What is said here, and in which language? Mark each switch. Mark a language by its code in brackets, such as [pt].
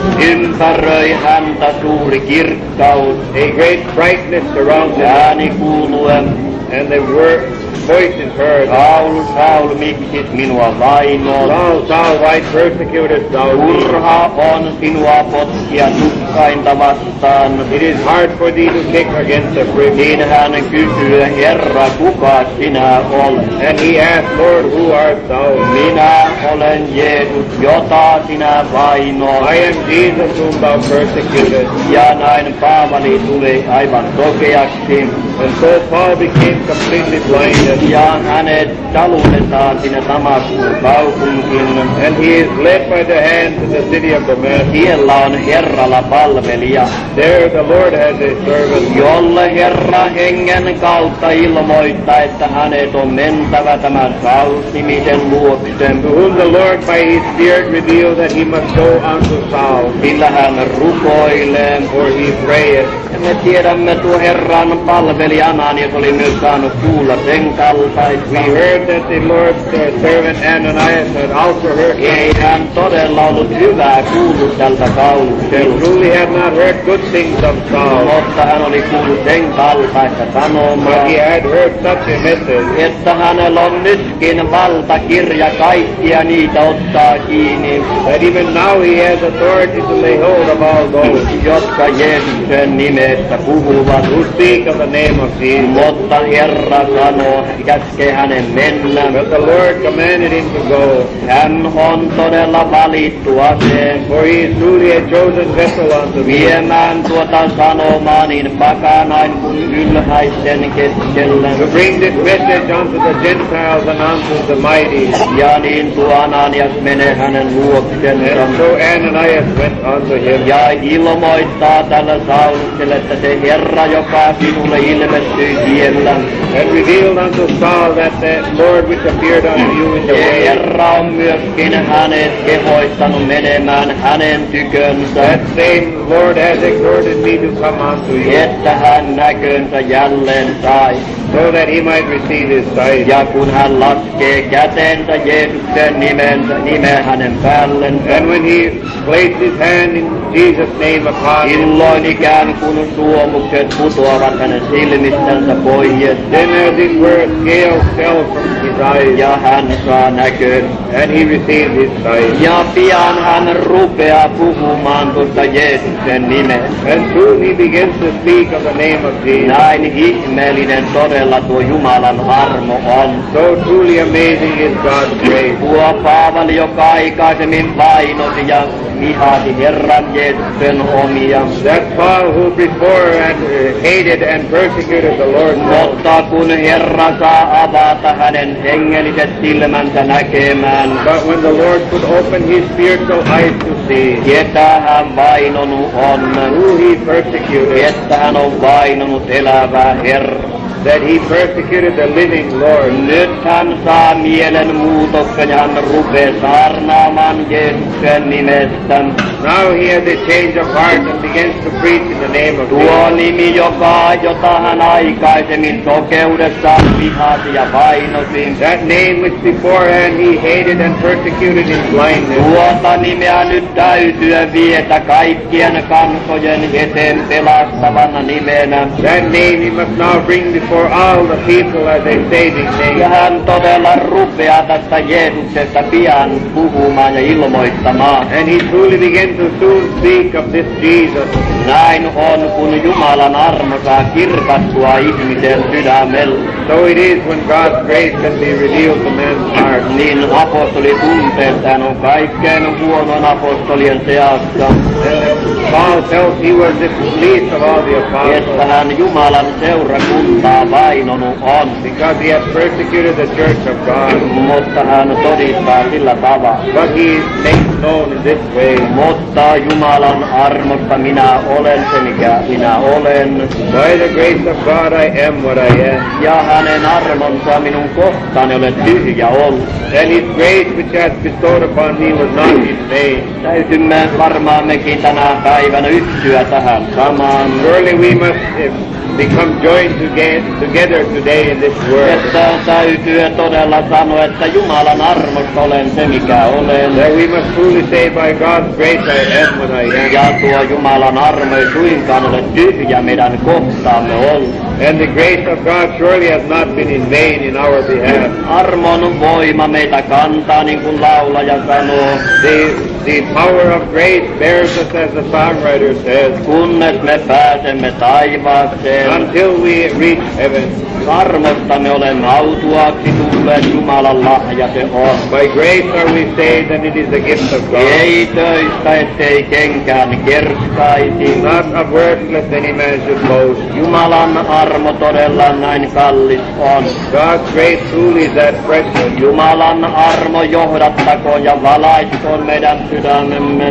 [fi] ympäröi häntä suuri kirkkaus, [en] a great brightness around him, [fi] ääni kuuluen, [en] and the word voice is heard, [fi] Saul, Saul, miksi minua vainot, [en] Saul, Saul, why persecuted thou me, [fi] turha on sinua potkia tukkainta vastaan, [en] it is hard for thee to kick against the prick, [fi] niin hän kysyy, Herra, kuka sinä olet, [en] and he asked, Lord, who art thou, [fi] minä olen Jeesus, jota sinä vainot, [en] I am Jesus whom thou persecuted, [fi] ja näin Paavali tuli aivan sokeaksi, [en] and so Paul became completely blind, [fi] ja hänet talutetaan sinne Damaskun kaupunkiin, [en] and he is led by the hand to the city of Damascus, [fi] siellä on Herralla palvelija, [en] there the Lord has a servant, [fi] jolle Herra hengen kautta ilmoittaa, että hänet on mentävä tämän Saul-nimisen luokse, [en] to whom the Lord by his spirit revealed that he must go unto Saul, [fi] sillä hän rukoilee, [en] for he prayed, [fi] ja me tiedämme tuo Herran palvelijanaan, jos oli myös saanut kuulla, [en] we heard that the Lord's servant Ananias had also heard. [fi] Ei hän todella ollut hyvää kuullut tältä Saulusta. [en] He truly had not heard good things of Saul. [fi] Mutta hän oli kuullut sen kaltaista sanomaa. [en] But he had heard such a message. [fi] Että hänellä on nytkin valtakirja kaikkia niitä ottaa kiinni. [en] That even now he has authority to lay hold of all those, [fi] jotka Jeesuksen nimestä puhuvat. [en] Who speak of the name of Jesus. [fi] Mutta Herra sanoo, Jeesus käskee hänen mennä. [en] But the Lord commanded him to go. [fi] Hän on todella valittu aseen. [en] For he is truly a chosen vessel unto me. [fi] Viemään tuota sanomaa niin pakanain kuin ylhäisten keskellä. [en] To bring this message unto the Gentiles and unto the mighty. [fi] Ja niin tuo Ananias menee hänen luoksensa. [en] And so Ananias went unto him. [fi] Ja ilmoittaa tällä Saulukselle, että se Herra, joka sinulle ilmestyi tiellä. [en] And revealed unto Saul that the Lord which appeared unto you in the way. [fi] Herra on myöskin hänet kehoittanut menemään hänen tykönsä. [en] That same Lord has exhorted me to come unto you. [fi] Että hän näkönsä jälleen sai. [en] So that he might receive his sight. [fi] Ja kun hän laskee kätensä Jeesuksen nimeen hänen päällensä. [en] And when he placed his hand in Jesus' name upon him. [fi] Illoin ikään kuin suomukset putoavat hänen silmistänsä pois. [en] Then as it were, scales fell from his eyes. [fi] Ja hän saa näkön. [en] And he received his sight. [fi] Ja pian hän rupeaa puhumaan tuosta Jeesuksen nimeen. [en] And soon he begins to speak of the name of Jesus. [fi] Näin ihmeellinen todella tuo Jumalan armo on. [en] So truly amazing is God's grace. [fi] Tuo Paavali, joka aikaisemmin painosi ja vihasi Herran Jeesuksen omia. [en] That Paul who before and hated and persecuted the Lord. [fi] Mutta kun Herra saa avata hänen hengelliset silmänsä näkemään. [en] But when the Lord could open his spiritual eyes to see. [fi] Ketä hän vainonut on. [en] Who he persecuted. [fi] Ketä hän on vainonut elävää Herra. [en] That he persecuted the living Lord. [fi] Nyt hän saa mielen muutoksen ja hän rupee saarnaamaan Jeesuksen nimestä. [en] Now he has a change of heart and begins to preach in the name of Jesus. [fi] Tuo nimi, jota hän aikaisemmin sokeudessaan vihasi ja vainosi. [en] That name which beforehand he hated and persecuted in blindness. [fi] Tuota nimeä nyt täytyy vietä kaikkien kansojen eteen pelastavana nimenä. [en] That name he must now bring before all the people as a saving name. [fi] Ja hän todella rupeaa tästä Jeesuksesta pian puhumaan ja ilmoittamaan. [en] And he truly begin to soon speak of this Jesus. [fi] Näin on, kun Jumalan armo saa kirkastua ihmisen sydämellä. [en] So it is when God's grace can be revealed to man's heart. [fi] Niin apostoli tuntee, että hän on kaikkein huonon apostolien seassa. [en] Paul felt he was the least of all the apostles. [fi] Että hän Jumalan seurakuntaa vainonut on. [en] Because he has persecuted the church of God. [fi] Mutta hän todistaa sillä tavalla. [en] But he is made known in this way. [fi] Mutta Jumalan armosta minä olen se, mikä minä olen. [en] By the grace of God I am what I am. [fi] Ja hänen armonsa minun kohtaan olen tyhjä ollut. [en] And his grace which has bestowed upon me was not in vain. [fi] Täytymme varmaan mekin tänä päivänä yhtyä tähän samaan. [en] Surely we must become joined together today in this world. [fi] Että täytyy todella sanoa, että Jumalan armosta olen se, mikä olen. [en] That we must truly say by God's grace I am what I am. [fi] Ja tuo Jumalan armo ei suinkaan ole tyhjä meidän kohtaamme ollut. [en] And the grace of God surely has not been in vain in our behalf. [fi] Armon voima meitä kantaa, niin kuin laulaja sanoo. [en] The power of grace bears us, as the songwriter says. [fi] Kunnes me pääsemme taivaaseen. [en] Until we reach heaven. [fi] Armosta me olemme autuaksi tulleet, Jumalan lahja se on. [en] By grace are we saved and it is a gift of God. [fi] Ei töistä, ettei kenkään kerskaisi. [en] Not of works, lest any man should boast. [fi] Jumalan armo todella näin kallis on. [en] God's grace truly is that precious. [fi] Jumalan armo johdattakoon ja valaistoon meidän sydämemme.